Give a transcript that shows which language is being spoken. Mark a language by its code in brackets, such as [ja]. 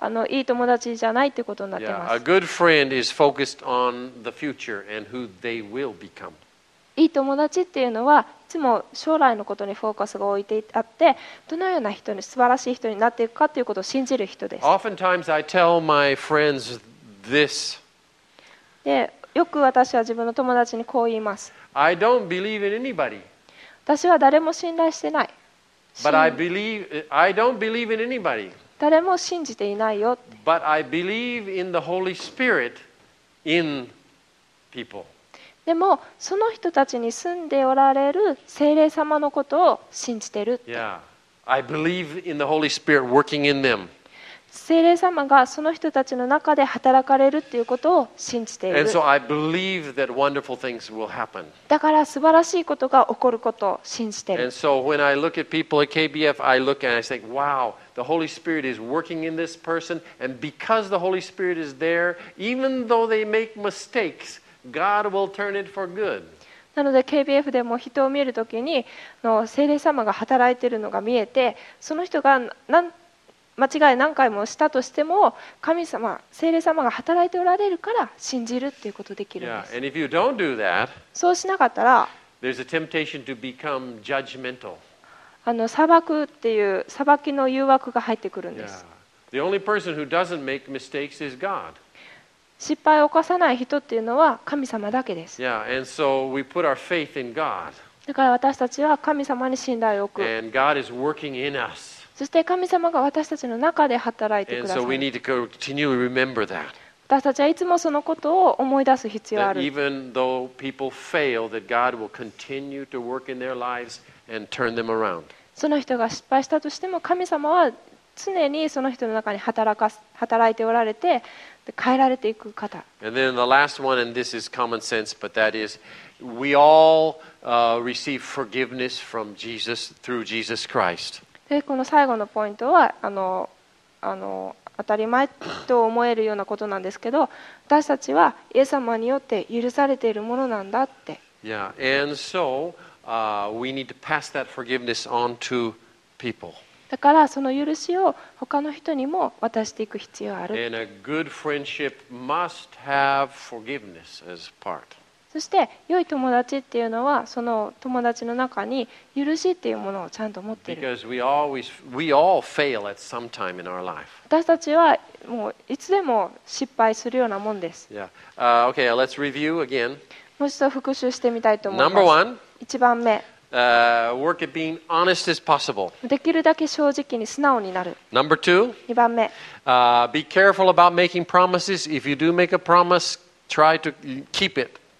[ja] いい友達じゃないってことになってます。 [en] Yeah, a good friend is focused on the future and who they will become. [ja] いい友達っていうのはいつも将来のことにフォーカスが置いてあって、どのような人に素晴らしい人になっていくかということを信じる人です。 [en] Oftentimes I tell my friends this. [ja] で、よく私は自分の友達にこう言います。 [en] I don't believe in anybody. [ja] 私は誰も信頼してない。 [en] But I don't believe in anybody. [ja] 誰も信じていないよって。 [en] But I believe in the Holy Spirit in people. [ja] でもその人たちに住んでおられる聖霊様のことを信じてるって。 [en] Yeah, I believe in the Holy Spirit working in them. [ja] 聖霊様がその人たちの中で働かれるっていうことを信じている。 [en] And so I believe that wonderful things will happen. [ja] だから素晴らしいことが起こることを信じてる。 [en] And so when I look at people at KBF, I look and I think, wow. The Holy Spirit is working in this person, and because the Holy Spirit is there, even though they make mistakes, God will turn it for good. [ja] なので KBF でも人を見るときに、聖霊様が働いているのが見えて、その人が間違い何回もしたとしても、神様、聖霊様が働いておられるから信じるっていうことができるんです。 [en] Yeah, and if you don't do that, [ja] そうしなかったら、 [en] there's a temptation to become judgmental. [ja] 裁くっていう裁きの誘惑が入ってくるんです。 [en] The only person who doesn't make mistakes is God. [ja] 失敗を犯さない人っていうのは神様だけです。 [en] Yeah, and so we put our faith in God. [ja] だから私たちは神様に信頼を置く。 [en] And God is working in us. [ja] そして神様が私たちの中で働いてくださる。 [en] And so we need to continually remember that. [ja] 私たちはいつもそのことを思い出す必要がある。 [en] That even though people fail, that God will continue to work in their lives. And turn them around. [ja] その人が失敗したとしても神様は常にその人の中に働いておられて変えられていく方。 [en] And then the last one, and this is common sense, but that is, we all receive forgiveness from Jesus through Jesus Christ. [ja] でこの最後のポイントは当たり前と思えるようなことなんですけど、私たちはイエス様によって許されているものなんだって。 [en] Yeah, and so. We need to pass that forgiveness on to people. [ja] だからその許しを他の人にも渡していく必要ある。 [en] And a good friendship must have forgiveness as part. [ja] そして良い友達っていうのはその友達の中に許しっていうものをちゃんと持っている。 [en] Because we all fail at some time in our life. [ja] 私たちはもういつでも失敗するようなもんです。 [en] Yeah. Okay. Let's review again. [ja] もう一度復習してみたいと思います。 [en] Number one. [ja] 1番目、 [en] work at being honest as possible. [ja] できるだけ正直に素直になる。 [en] Number two, [ja] 2番目、 [en] be careful about making promises. If you do make a promise, try to keep it.